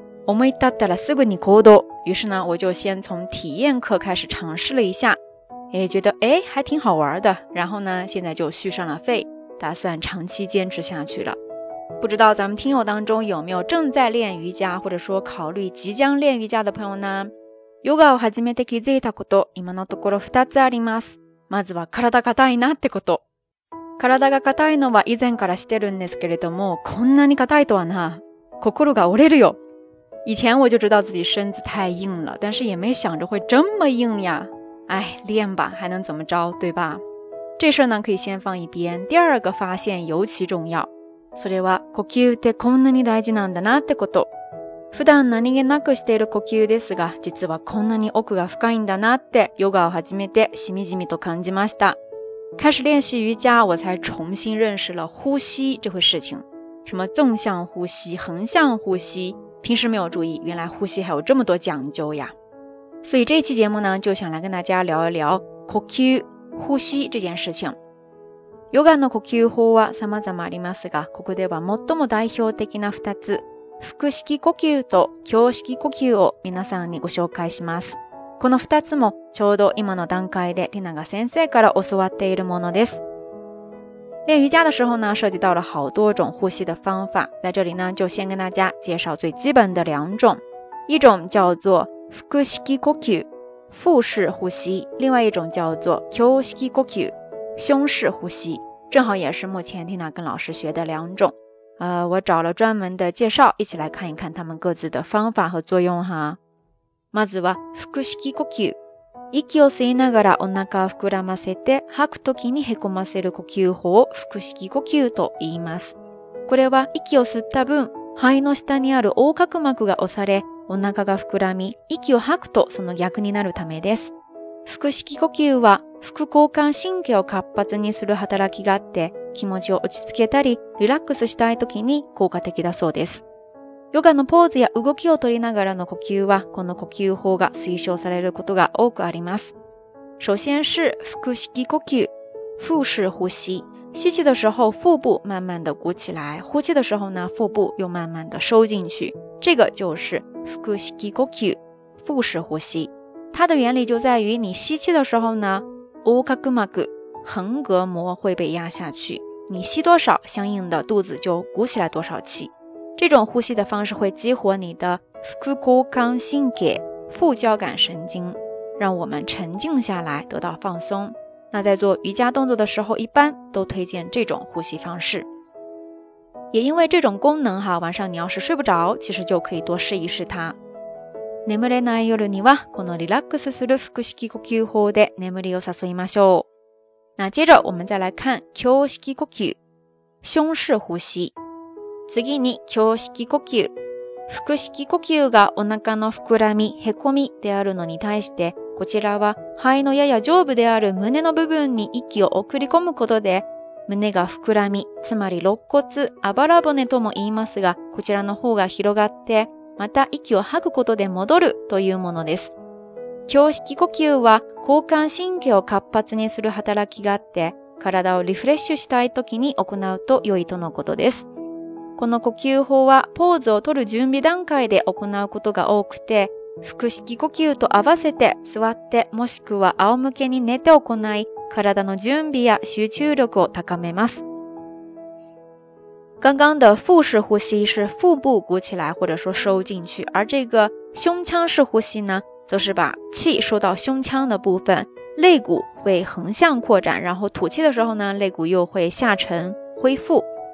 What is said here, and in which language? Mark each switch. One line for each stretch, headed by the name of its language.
Japanese: 思い立ったらすぐに行動，
Chinese: 于是呢我就先从体验课开始尝试了一下，也觉得诶还挺好玩的，然后呢现在就续上了费，打算长期坚持下去了。不知道咱们听友当中有没有正在练瑜伽或者说考虑即将练瑜伽的朋友呢？
Japanese: ヨガを始めて気づいたこと、今のところ2つあります。まずは体硬いなってこと。体が硬いのは以前からしてるんですけれども、こんなに硬いとはな。心が折れるよ。
Chinese: 以前我就知道自己身子太硬了、但是也没想着会这么硬呀。哎、练吧、还能怎么着、对吧。这事呢、可以先放一边。第二个发现尤其重要。
Japanese: それは、呼吸ってこんなに大事なんだなってこと。普段何気なくしている呼吸ですが、実はこんなに奥が深いんだなってヨガを始めてしみじみと感じました。
Chinese: 开始练习瑜伽，我才重新认识了呼吸这回事情。什么纵向呼吸、横向呼吸，平时没有注意，原来呼吸还有这么多讲究呀。所以这期节目呢，就想来跟大家聊一聊呼吸、呼吸这件事情。
Japanese: ヨガの呼吸法は様々ありますが、ここでは最も代表的な2つ。腹式呼吸と胸式呼吸を皆さんにご紹介します。この二つもちょうど今の段階でティナが先生から教わっているものです。
Chinese: 练瑜伽的时候呢，涉及到了好多种呼吸的方法，在这里呢就先跟大家介绍最基本的两种，一种叫做腹式呼吸，腹式呼吸；另外一种叫做胸式呼吸，胸式呼吸。正好也是目前ティナ跟老师学的两种。我找了专门的介绍，一起来看一看他们各自的方法和作用哈。
Japanese: まずは腹式呼吸。息を吸いながらお腹を膨らませて吐くときにへこませる呼吸法を腹式呼吸と言います。これは息を吸った分、肺の下にある横隔膜が押され、お腹が膨らみ、息を吐くとその逆になるためです。腹式呼吸は副交感神経を活発にする働きがあって、気持ちを落ち着けたり、リラックスしたい時に効果的だそうです。ヨガのポーズや動きを取りながらの呼吸は、この呼吸法が推奨されることが多くあります。
Chinese: 首先是腹式呼吸、腹式呼吸。吸气的时候腹部慢慢的鼓起来、呼气的时候呢腹部又慢慢的收进去。这个就是腹式呼吸、腹式呼吸。它的原理就在于你吸气的时候呢、横隔膜、横膈膜会被压下去，你吸多少，相应的肚子就鼓起来多少气。这种呼吸的方式会激活你的副交感神经，副交感神经，让我们沉静下来，得到放松。那在做瑜伽动作的时候，一般都推荐这种呼吸方式。也因为这种功能哈，晚上你要是睡不着，其实就可以多试一试它。
Japanese: 眠れない夜にはこのリラックスする腹式呼吸法で眠りを誘いましょう。
Chinese: 那接着我们再来看胸式呼吸，胸式呼吸。
Japanese: 次に胸式呼吸。腹式呼吸がお腹の膨らみ、へこみであるのに対して、こちらは肺のやや上部である胸の部分に息を送り込むことで、胸が膨らみ、つまり肋骨、あばら骨とも言いますが、こちらの方が広がって、また息を吐くことで戻るというものです。胸式呼吸は交感神経を活発にする働きがあって、体をリフレッシュしたい時に行うと良いとのことです。この呼吸法はポーズを取る準備段階で行うことが多くて、腹式呼吸と合わせて座ってもしくは仰向けに寝て行い、体の準備や集中力を高めます。
Chinese: 刚刚的腹式呼吸是腹部鼓起来或者说收进去，而这个胸腔式呼吸呢，则是把气收到胸腔的部分，肋骨会横向扩展，然后吐气的时候呢，肋骨又会下沉恢复。